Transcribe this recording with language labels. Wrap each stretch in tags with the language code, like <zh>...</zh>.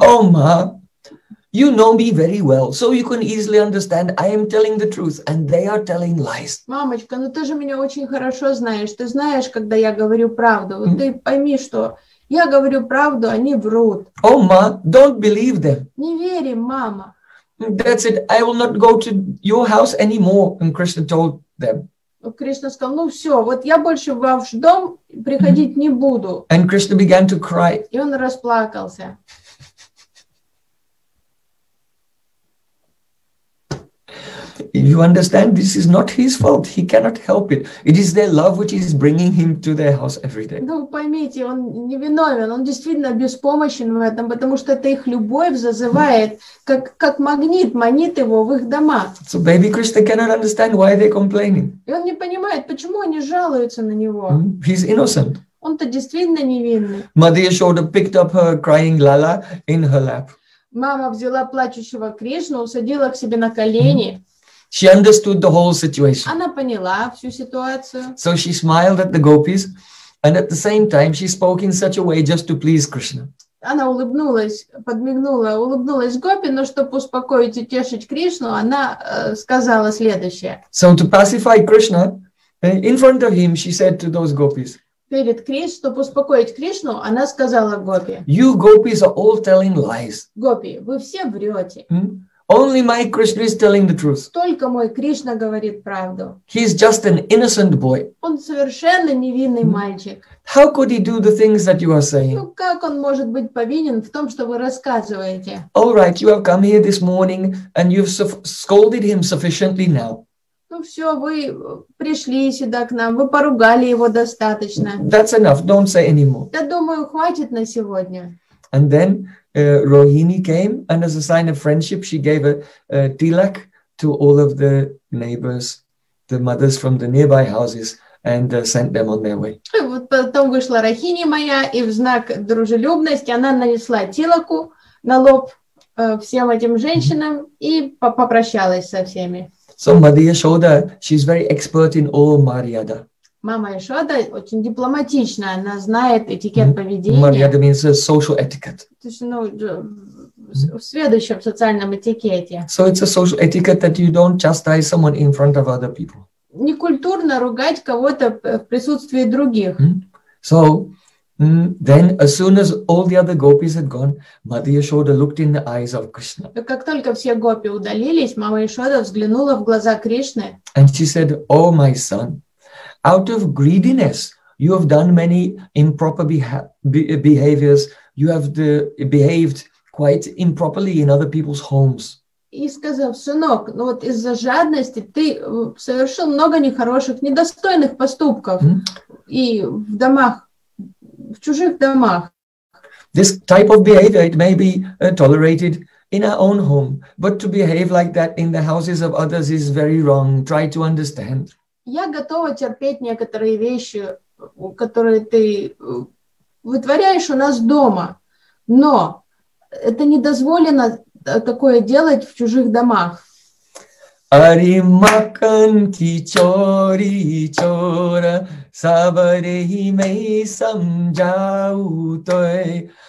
<en>Oh, ma, you know me very well, so you can easily understand I am telling the truth and they are telling lies.</en> <ru>Мамочка, ну ты же меня очень хорошо знаешь. Ты знаешь, когда я говорю правду. Вот ты пойми, что я говорю правду, они врут.</ru> <en>Oh, ma, don't believe them.</en> <ru>Не верим, мама.</ru> <en>That's it. I will not go to your house anymore. And Krishna told them.</en> <ru>Krishna сказал, ну все, вот я больше в ваш дом приходить не буду.</ru> <en>And Krishna began to cry.</en> <ru>И он расплакался.</ru> <en>You understand, this is not his fault. He cannot help it. It is their love which is bringing him to their house every day.</en> <ru>Ну, поймите, он не виновен. Он действительно беспомощен в этом, потому что это их любовь зазывает, как магнит, манит его в их дома.</ru> <en>So baby Krishna cannot understand why they're complaining.</en> <ru>И он не понимает, почему они жалуются на него.</ru> <en>He's innocent.</en> <ru>Он-то действительно невинный.</ru> <en>Mother Yashoda picked up her crying Lala in her lap.</en> <ru>Мама взяла плачущего Кришну, усадила к себе на колени.</ru> <en>She understood the whole situation.</en> <ru>Она поняла всю ситуацию.</ru> <en>So she smiled at the gopis, and at the same time she spoke in such a way just to please Krishna.</en> <ru>Она улыбнулась, подмигнула, улыбнулась гопи, но чтобы успокоить и утешить Кришну, она сказала следующее.</ru> <en>So to pacify Krishna, in front of him, she said to those gopis.</en> <ru>Перед Кришной, чтобы успокоить Кришну, она сказала гопи.</ru> <en>You gopis are all telling lies.</en> <ru>Гопи, вы все врете.</ru> <en>Only my Krishna is telling the truth.</en> <ru>Только мой Кришна говорит правду.</ru> <en>He is just an innocent boy.</en> <ru>Он совершенно невинный мальчик.</ru> <en>How could he do the things that you are saying?</en> <ru>Ну как он может быть повинен в том, что вы рассказываете?</ru> <en>All right, you have come here this morning and you've scolded him sufficiently now.</en> <ru>Ну все, вы пришли сюда к нам, вы поругали его достаточно.</ru> <en>That's enough. Don't say any more.</en> <ru>Да думаю, хватит на сегодня.</ru> <en>And then Rohini came, and as a sign of friendship, she gave a tilak to all of the neighbors, the mothers from the nearby houses, and sent them on their way.</en> <ru>Вот потом вышла Рахини моя, и в знак дружелюбности она нанесла тилаку на лоб всем этим женщинам и попрощалась со всеми.</ru> <en>So Mother Yashoda, she's very expert in all Mariyada.</en> <ru>Мама Яшода очень дипломатична, она знает этикет поведения.</ru> <en>Mariyada means social etiquette.</en> <ru>То есть, ну, сведуща в социальном этикете.</ru> <en>So it's a social etiquette that you don't chastise someone in front of other people.</en> <ru>Некультурно ругать кого-то в присутствии других.</ru> <en>So then, as soon as all the other gopis had gone, Mother Yashoda looked in the eyes of Krishna.</en> <ru>Как только все гопи удалились, мама Яшода взглянула в глаза Кришны.</ru> <en>And she said, "Oh, my son, out of greediness, you have done many improper behaviors. You have behaved quite improperly in other people's homes."</en> <ru>И сказав, сынок, ну вот из-за жадности ты совершил много нехороших, недостойных поступков и в домах, в чужих домах.</ru> <en>This type of behavior, it may be tolerated in our own home, but to behave like that in the houses of others is very wrong. Try to understand.</en> <ru>Я готова терпеть некоторые вещи, которые ты вытворяешь у нас дома, но это не дозволено такое делать в чужих домах.</ru> <hi>Аримаканти чори чора саварехи мей самджаутой.</hi>